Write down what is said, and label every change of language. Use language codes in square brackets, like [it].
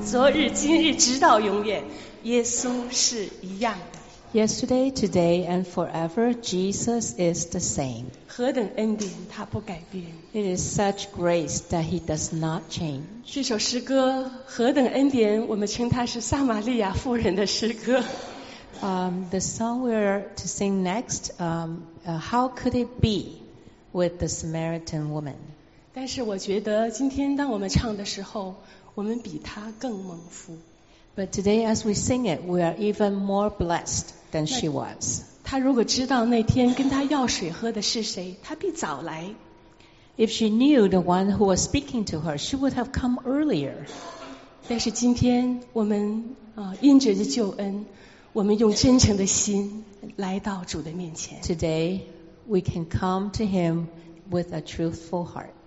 [zh] 日今日直到永远，耶稣是一样的。 [en] Yesterday, today, and forever, Jesus is the same. [zh] 何等恩典，他不改变。 [en] It is such grace that he does not change. [zh] 这首诗歌何等恩典，我们称它是撒玛利亚妇人的诗歌。 [en] The song we're to sing next, how could it be with the Samaritan woman? [zh] 但是我觉得今天当我们唱的时候，我们比她更蒙福。 [en] But today as we sing it, we are even more blessed than she was. [zh] 她如果知道那天跟她要水喝的是谁，她必早来。 [en] If she knew the one who was speaking to her, she would have come earlier. [zh] 但是今天我们因着这救恩，我们用真诚的心来到主的面前。 [en] Today, we can come to him with a truthful heart.